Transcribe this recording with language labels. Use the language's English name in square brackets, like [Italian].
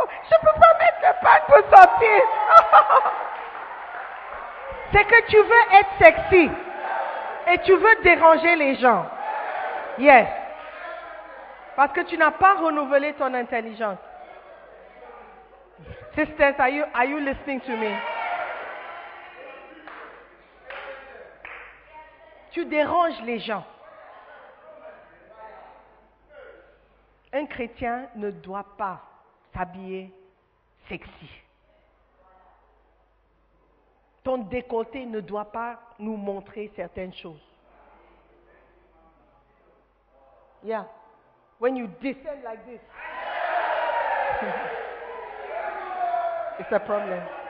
[French] Je peux pas mettre le pagne pour sortir. C'est que tu veux être sexy et tu veux déranger les gens. Yes. Parce que tu n'as pas renouvelé ton intelligence. [English] Sisters, are you listening to me? [French] Tu déranges les gens. Un chrétien ne doit pas s'habiller sexy. Ton décolleté ne doit pas nous montrer certaines choses. [English] Yeah. When you descend like this, it's a problem.